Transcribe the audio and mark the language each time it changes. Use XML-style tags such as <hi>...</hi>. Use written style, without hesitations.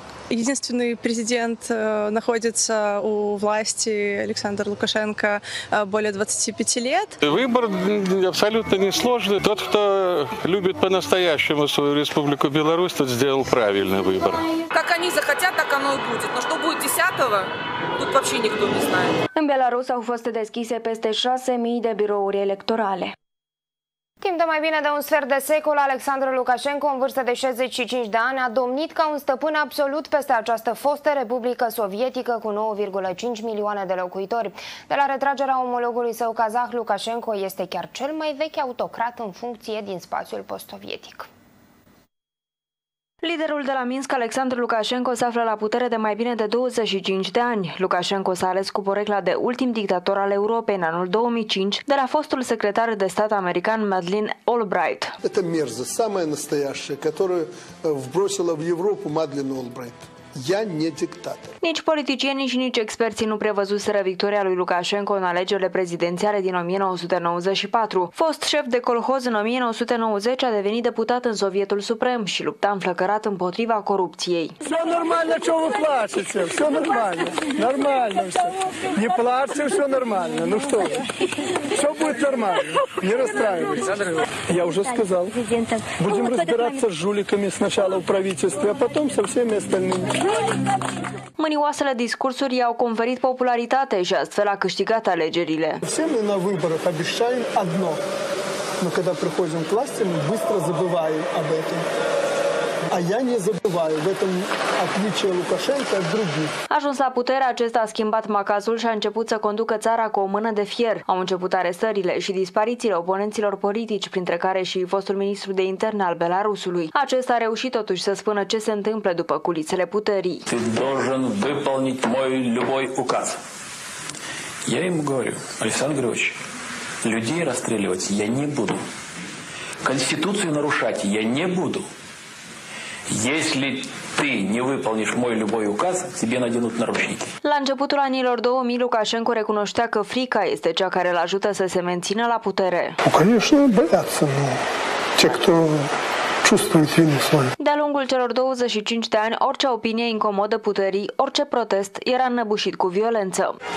<ru>Единственный президент находится у власти, Александр Лукашенко, более 25 лет. Выбор абсолютно несложный. Тот, кто любит по-настоящему свою Республику Беларусь, тот сделал правильный выбор. Как они захотят, так оно и будет. Но что будет 10-го, тут вообще никто не знает.</ru> <ro>În Belarus au fost deschise peste 6.000 de birouri electorale. Timp de mai bine de un sfert de secol, Alexandru Lukashenko, în vârstă de 65 de ani, a domnit ca un stăpân absolut peste această fostă republică sovietică cu 9,5 milioane de locuitori. De la retragerea omologului său kazah, Lukashenko este chiar cel mai vechi autocrat în funcție din spațiul postsovietic. Liderul de la Minsk, Alexandru Lukashenko, se află la putere de mai bine de 25 de ani. Lukashenko s-a ales cu porecla de ultim dictator al Europei în anul 2005 de la fostul secretar de stat american Madeleine Albright.</ro> <ru>Это мерзость самая настоящая, которую вбросила в Европу Madeleine Albright. Я не диктатор.</ru> <ro>Nici politicienii și nici experții nu prevăzuseră victoria lui Lukashenko în alegerile prezidențiale din 1994. Fost șef de colhoz în 1990, a devenit deputat în Sovietul Suprem și lupta înflăcărat împotriva corupției.</ro> <ru>Все нормально, что вы плачете? Все нормально. Нормально все. Не плачьте, все нормально. Ну что? Все будет нормально. Не расстраивайтесь. Я уже сказал. Будем разбираться с жуликами сначала в правительстве, а потом со всеми остальными.</ru> <ro>Mânioasele discursuri i-au conferit popularitate și astfel a câștigat alegerile.</ro> <ru>Всеми на выборах обещаем одно. Но когда приходим к власти, мы быстро забываем об этом. А я не забываю, в этом отличие Лукашенко от других.</ru> <ro>Ajuns la putere, acesta a schimbat macazul și a început să conducă țara cu o mână de fier. Au început arestările și disparițiile oponenților politici, printre care și fostul ministru de interne al Belarusului. Acesta a reușit totuși să spună ce se întâmplă după culisele puterii.</ro> <ru>Ты должен выполнить мой любой указ. Я ему говорю, Александр Григорьевич, людей расстреливать я не буду. Конституцию нарушать я не буду. Если ты не выполнишь мой любой указ, тебе наденут наручники.</ru> <ro>La începutul anilor 2000, Lukashenko recunoștea că frica este cea care îl ajută să se mențină la putere.</ro> <ru>Конечно, бояться, но те, кто чувствует вину свою.</ru> <ro>De-a lungul celor 25 de ani, orice opinie incomodă puterii, orice protest era înnăbușit cu violență.</ro>